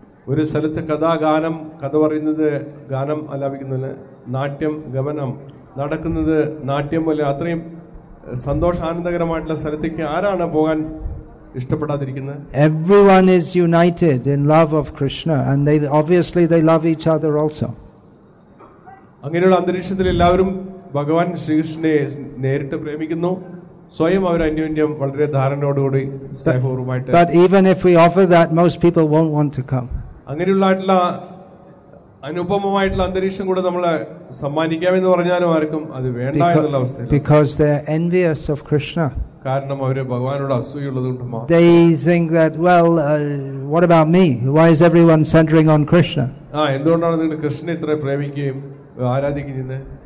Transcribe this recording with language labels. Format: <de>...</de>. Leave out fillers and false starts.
<ml>ഒരു സ്ഥലത്ത് കഥാ ഗാനം, കഥ പറയുന്നത് ഗാനം ആലാപിക്കുന്നതിന്, നാട്യം ഗമനം നടക്കുന്നത് നാട്യം പോലെ, അത്രയും സന്തോഷാനന്ദകരമായിട്ടുള്ള സ്ഥലത്തേക്ക് ആരാണ് പോകാൻ ഇഷ്ടപ്പെടാതിരിക്കുന്നത്?</ml> <en>Everyone is united in love of Krishna and they obviously they love each other also.</en> <ml>അങ്ങനെയുള്ള അന്തരീക്ഷത്തിൽ എല്ലാവരും ഭഗവാൻ ശ്രീകൃഷ്ണനെ നേരിട്ട് പ്രേമിക്കുന്നു. സ്വയം അവർ അന്യോന്യം വളരെ ധാരണയോടുകൂടി സ്നേഹപൂർവമായിട്ട്.</ml> <en>But even if we offer that, most people won't want to come.</en> <ml>അങ്ങനെയുള്ള അനുപമമായിട്ടുള്ള അന്തരീക്ഷം കൂടെ നമ്മൾ സമ്മാനിക്കാമെന്ന് പറഞ്ഞാലും ആർക്കും അത് വേണ്ട എന്നുള്ള അവസ്ഥയാണ്.</ml> <en>Because they are envious of Krishna.</en> <ml>കാരണം അവര് ഭഗവാനോട് അസൂയുള്ളത് കൊണ്ട് മാത്രം.</ml> <en>They think that, well, what about me? Why is everyone centering on Krishna?</en> <ml>ആ എന്തുകൊണ്ടാണ് നിങ്ങൾ കൃഷ്ണനെ ഇത്ര പ്രേമിക്കുകയും ആരാധിക്കുന്നത്?</ml>